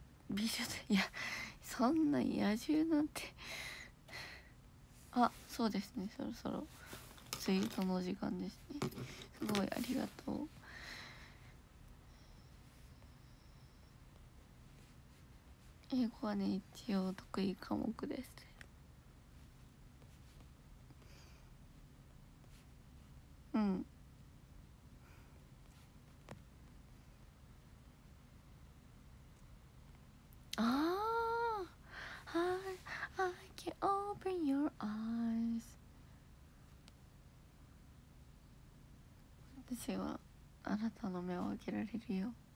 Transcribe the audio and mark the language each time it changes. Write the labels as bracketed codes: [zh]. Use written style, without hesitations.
[ja] 美女で、いや、そんな野獣なんて。あ、そうですね。そろそろツイートの時間ですね。すごいありがとう。英語はね、一応得意科目です。 [en] うん、あー、 I can open your eyes。 [ja] 私はあなたの目を開けられるよ。